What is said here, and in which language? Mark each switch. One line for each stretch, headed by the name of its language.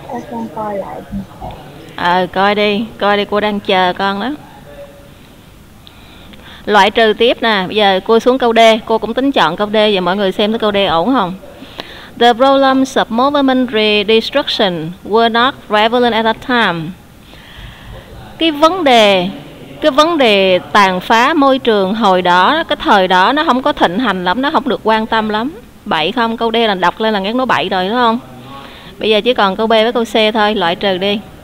Vietnamese: Con coi lại. Coi đi, cô đang chờ con đó. Loại trừ tiếp nè, bây giờ cô xuống câu D, cô cũng tính chọn câu D, và mọi người xem cái câu D ổn không?
English: The problems of movement redistribution were not prevalent at that time.
Vietnamese: Cái vấn đề tàn phá môi trường hồi đó, cái thời đó nó không có thịnh hành lắm, nó không được quan tâm lắm. Bậy không? Câu D là đọc lên là nghe nó bậy rồi đúng không? Bây giờ chỉ còn câu B với câu C thôi, loại trừ đi.